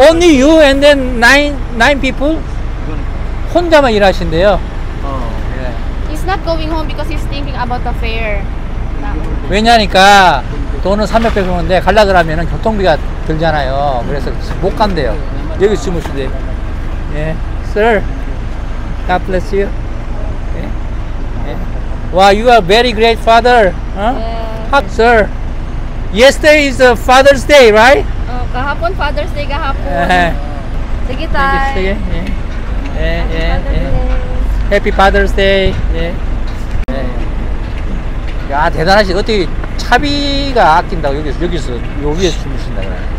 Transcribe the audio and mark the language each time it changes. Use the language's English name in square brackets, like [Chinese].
[English] Only you and then nine people? [Korean] 혼자만 일하신대요. 어, 예. [English] He's not going home because he's thinking about the fare. [Korean] 왜냐니까 돈은 300배 주는데 갈라 그러면은 교통비가 들잖아요. 그래서 못 간대요. 여기 주무시대. 예. [English] Sir. God bless you. 예. 예. Wow, you are very great father. Huh? Yeah. Hot, sir. Yesterday is a Father's Day, right? 가하폰 Father's Day 가하폰. [Korean] 예. 되게 타이. 예. 예. 예. 예. [English] Happy Father's Day. Happy Father's Day. 예. [Korean] 야, 대단하시다. 어떻게 차비가 아낀다고 여기서 숨으신다 그래.